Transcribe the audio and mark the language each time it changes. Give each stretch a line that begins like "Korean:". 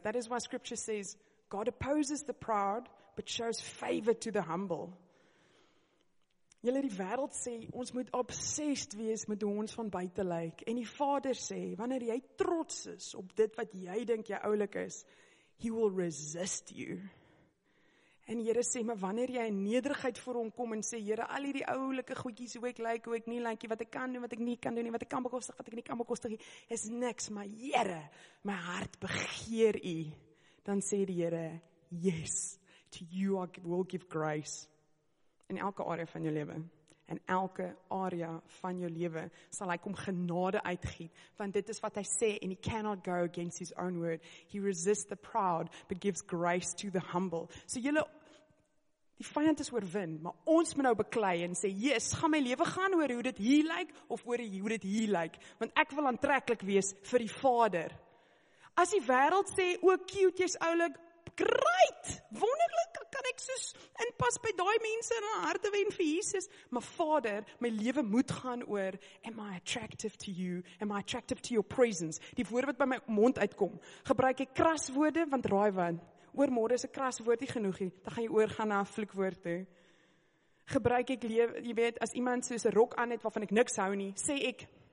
English: That is why scripture says, God opposes the proud, but shows favor to the humble.
Afrikaans: Julle die wêreld sê, ons moet obsessed wees met hoe ons van buite lyk. En die Vader sê, wanneer jy trots is op dit wat jy dink jy oulik is,
English: he will resist you.
Afrikaans: En Here sê, maar wanneer jy in nederigheid voor hom kom en sê, Here, al hierdie oulike goedjies, hoe ek lyk, hoe ek nie lyk, wat ek kan doen, wat ek nie kan doen nie, wat ek kan bekostig, wat ek nie kan bekostig nie, is niks, maar Here, my hart begeer U. Dan sê die Here,
English: yes, to you I will give grace
Afrikaans: in elke area van jou lewe. In elke area van jou lewe sal hy kom genade uitgiet, want dit is wat hy sê,
English: and he cannot go against his own word. He resists the proud, but gives grace to the humble.
Afrikaans: So julle, die vyand is oorwin, maar ons moet nou beklei en sê, yes, gaan my lewe gaan oor hoe dit hier lyk, of oor hoe dit hier lyk, want ek wil aantreklik wees vir die Vader. As die wêreld sê, o, cute, jy's oulik, great, wonderlik, kan ek soos inpas by daai mense in harte wen vir Jesus, maar Vader, my lewe moet gaan oor,
English: am I attractive to you, am I attractive to your presence,
Afrikaans: die woorde wat by my mond uitkom, gebruik ek kras woorde, want raai wat, oor môre is 'n kras woord nie genoeg nie, dan gaan jy oor gaan na 'n vloekwoord toe, gebruik ek lewe, jy weet, as iemand soos 'n rok aan het, waarvan ek niks hou nie, sê ek,